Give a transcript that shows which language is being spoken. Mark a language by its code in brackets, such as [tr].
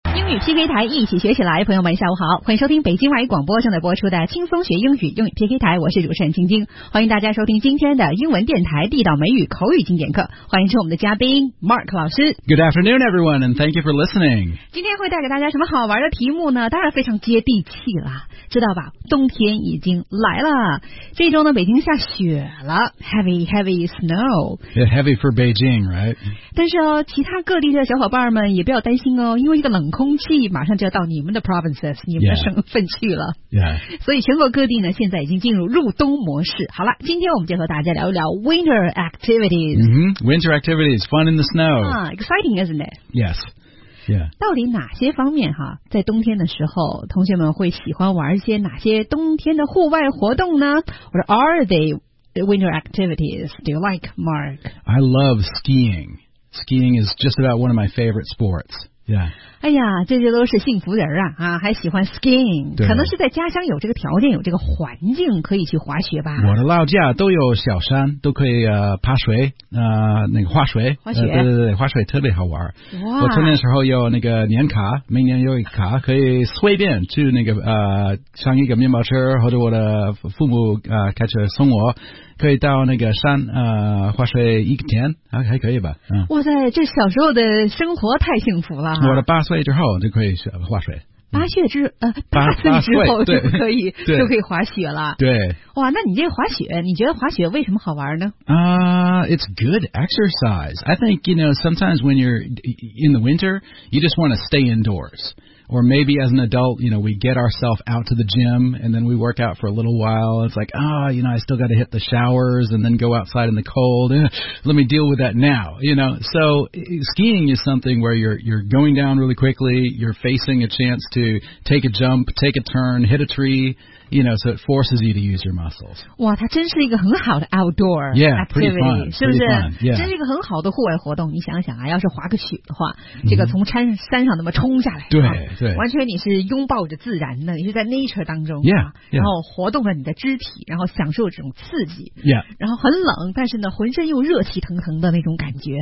[zh] 英语 PK 台一起学起来，朋友们下午好，欢迎收听北京外语广播正在播出的轻松学英语，英语 PK 台，我是主持人晶晶，欢迎大家收听今天的英文电台地道美语口语经典课，欢迎收我们的嘉宾 Mark 老师。 [en] Good afternoon, everyone, and thank you for listening. [zh] 今天会带给大家什么好玩的题目呢？当然非常接地气了，知道吧？冬天已经来了，这周呢，北京下雪了 ， heavy heavy snow. [en] Yeah, heavy for Beijing, right? [zh] 但是哦，其他各地的小伙伴们也不要担心哦，因为这个冷空气马上就要到你们的 provinces， 你们的省份去了。 [en] Yeah. [zh] 所以全国各地呢，现在已经进入入冬模式。好了，今天我们就和大家聊一聊 winter activities. [en] Mm-hmm. Winter activities, fun in the snow. Exciting, isn't it? Yes. Yeah. [zh] 到底哪些方面哈，在冬天的时候，同学们会喜欢玩一些哪些冬天的户外活动呢？ [en] What are the winter activities do you like, Mark? I love skiing. Skiing is just about one of my favorite sports. Yeah. [zh] 哎呀，这些都是幸福人啊，还喜欢 skiing. 可能是在家乡有这个条件，有这个环境可以去滑雪吧。我的老家都有小山，都可以爬水，那个滑水。滑雪。对，滑水特别好玩。哇。我春天的时候有那个年卡，明年有一卡，可以随便去那个上一个面包车，或者我的父母开车送我。可以到那个山滑水一天还可以吧。哇塞，这小时候的生活太幸福了。我的八岁之后就可以滑水。八岁之后就可以就可以滑雪了。对。哇，那你这滑雪，你觉得滑雪为什么好玩呢？ [en] It's good exercise. I think, you know, sometimes when you're in the winter, you just want to stay indoors. Or maybe as an adult, you know, we get ourselves out to the gym and then we work out for a little while. It's like, you know, I still got to hit the showers and then go outside in the cold. Let me deal with that now, you know. So skiing is something where you're going down really quickly. You're facing a chance to take a jump, take a turn, hit a tree, you know, so it forces you to use your muscles. [zh] 哇，它真是一个很好的 outdoor [en] activity. Yeah, pretty [zh] fun. 是不是？ [en] Yeah. [zh] 真是一个很好的户外活动。你想想啊，要是滑个雪的话，这个从山上那么冲下来。对。完全你是拥抱着自然的，你是在 nature 当中、 [en] yeah, [zh] 然后活动着你的肢体，然后享受这种刺激、 [en] yeah. [zh] 然后很冷，但是呢浑身又热气腾腾的那种感觉，